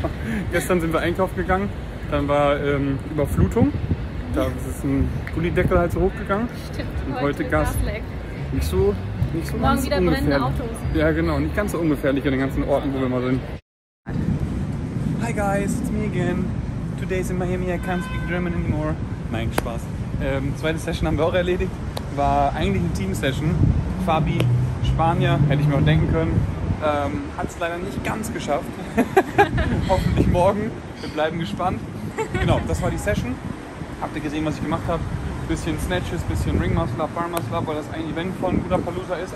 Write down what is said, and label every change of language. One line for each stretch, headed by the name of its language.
German: Ja. Gestern sind wir einkaufen gegangen, dann war Überflutung. Da ist ein Gullideckel halt so hochgegangen. Stimmt, und heute Gasleck. Nicht so morgen ganz wieder ungefährlich. Brennende Autos. Ja genau, nicht ganz so ungefährlich in den ganzen Orten, wo wir mal sind.
English: Hi guys, it's me again. Today's in Miami, I can't speak German anymore.
German: Nein, Spaß. Zweite Session haben wir auch erledigt. War eigentlich eine Team-Session. Fabi, Spanier, hätte ich mir auch denken können. Hat es leider nicht ganz geschafft. Hoffentlich morgen. Wir bleiben gespannt. Genau, das war die Session. Habt ihr gesehen, was ich gemacht habe? Bisschen Snatches, bisschen Ring Muscle Up, Bar Muscle Up, weil das ein Event von Budapalooza ist.